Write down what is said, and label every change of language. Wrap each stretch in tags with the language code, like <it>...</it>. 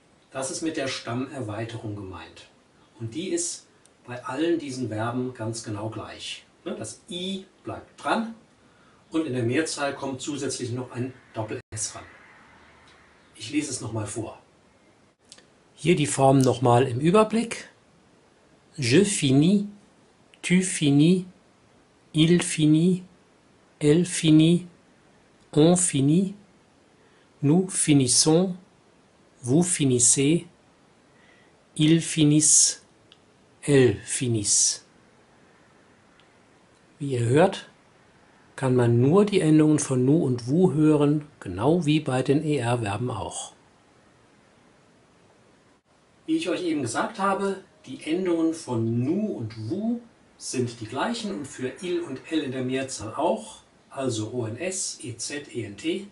<de>Das ist mit der Stammerweiterung gemeint. Und die ist bei allen diesen Verben ganz genau gleich. Das I bleibt dran und in der Mehrzahl kommt zusätzlich noch ein Doppel-S ran. Ich lese es nochmal vor. Hier die Form nochmal im Überblick.</de> <fr>Je finis, tu finis, il finit, elle finit, on finit, nous finissons, vous finissez, ils finissent. L finis.</fr> <de>Wie ihr hört, kann man nur die Endungen von nu und wu hören, genau wie bei den ER-Verben auch. Wie ich euch eben gesagt habe, die Endungen von nu und wu sind die gleichen und für il und el in der Mehrzahl auch, also ons, ez, ent.</de>